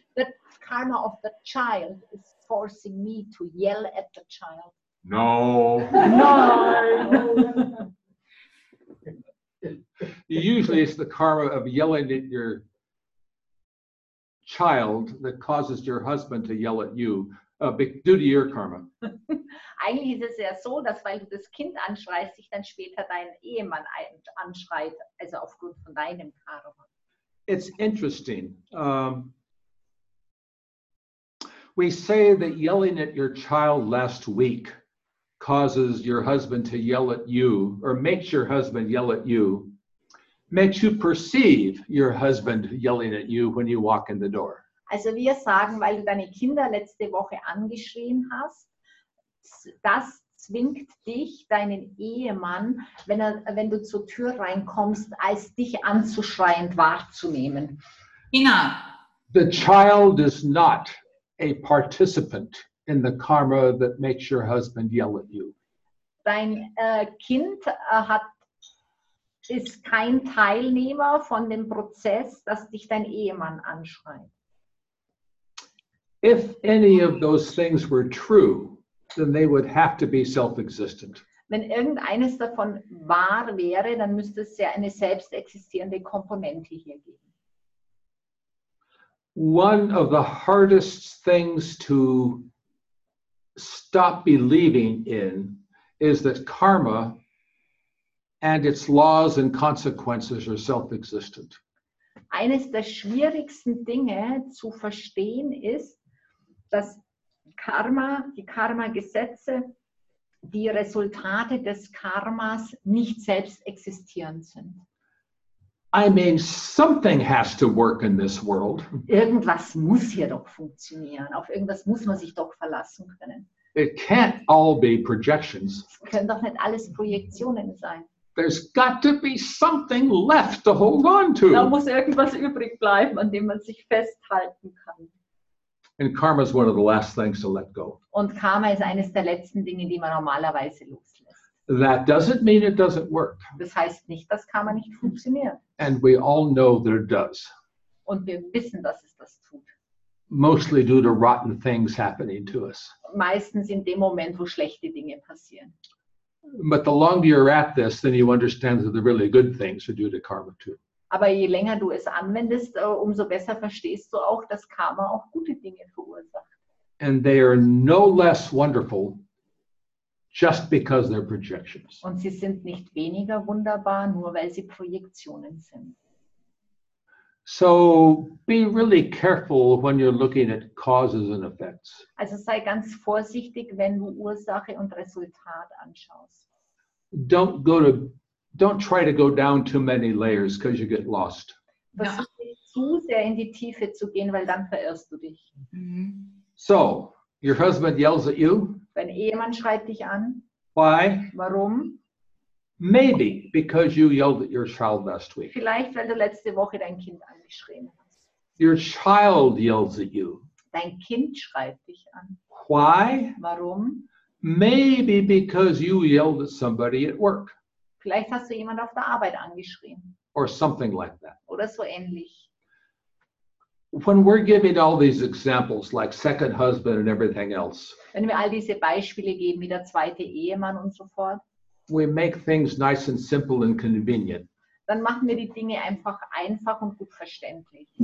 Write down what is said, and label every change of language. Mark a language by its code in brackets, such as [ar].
[en] The karma of the child is forcing me to yell at the child. No. No. Usually it's the karma of yelling at your child that causes your husband to yell at you, due to your karma. [de] Eigentlich ist es ja so, dass weil du das Kind anschreist, sich dann später dein Ehemann anschreit, also aufgrund von deinem Karma. [en] It's interesting. We say that yelling at your child last week causes your husband to yell at you, or makes your husband yell at you, makes you perceive your husband yelling at you when you walk in the door. [de] Also wir sagen, weil du deine Kinder letzte Woche angeschrien hast, das zwingt dich, deinen Ehemann, wenn du zur Tür reinkommst, als dich anzuschreiend wahrzunehmen. Ina. [en] The child is not a participant in the karma that makes your husband yell at you. [de] Dein Kind ist kein Teilnehmer von dem Prozess, dass dich dein Ehemann anschreit. [en] If any of those things were true, then they would have to be self-existent. [de] Wenn irgendeines davon wahr wäre, dann müsste es ja eine selbstexistierende Komponente hier geben. [en] One of the hardest things to stop believing in is that karma and its laws and consequences are self-existent. [de] Eines der schwierigsten Dinge zu verstehen ist, dass Karma, die Karma-Gesetze, die Resultate des Karmas nicht selbst existierend sind. [en] I mean, something has to work in this world. [de] Irgendwas muss hier doch funktionieren. Auf irgendwas muss man sich doch verlassen können. [en] It can't all be projections. [de] Es können doch nicht alles Projektionen sein. [en] There's got to be something left to hold on to. [de] Da muss irgendwas übrig bleiben, an dem man sich festhalten kann. [en] And karma is one of the last things to let go. [de] Und Karma ist eines der letzten Dinge, die man normalerweise loslässt. [en] That doesn't mean it doesn't work. [de] Das heißt nicht, dass Karma nicht funktioniert. [en] And we all know that it does. [de] Und wir wissen, dass es das tut. [en] Mostly due to rotten things happening to us. [de] Meistens in dem Moment, wo schlechte Dinge passieren. [en] But the longer you're at this, then you understand that the really good things are due to karma too. [de] Aber je länger du es anwendest, umso besser verstehst du auch, dass Karma auch gute Dinge verursacht. [en] And they are no less wonderful just because they're projections. [de] Und sie sind nicht weniger wunderbar, nur weil sie Projektionen sind. [en] So be really careful when you're looking at causes and effects. [de] Also sei ganz vorsichtig, wenn du Ursache und Resultat anschaust. [en] Don't try to go down too many layers because you get lost. [de] Versuch nicht zu sehr in die Tiefe zu gehen, weil dann verirrst du dich. [en] So, your husband yells at you? [de] Dein Ehemann schreit dich an. [en] Why? [de] Warum? [en] Maybe because you yelled at your child last week. [de] Vielleicht, weil du letzte Woche dein Kind angeschrien hast. [en] Your child yells at you. [de] Dein Kind schreit dich an. [en] Why? [de] Warum? [en] Maybe because you yelled at somebody at work. [de] Vielleicht hast du jemand auf der Arbeit angeschrien. [en] or something like that. [de] Oder so ähnlich. [en] When we're giving all these examples, like second husband and everything else, [de] wenn wir all diese Beispiele geben, wie der zweite Ehemann und so fort, [en] we make things nice and simple and convenient. [de] Dann machen wir die Dinge einfach einfach und gut verständlich.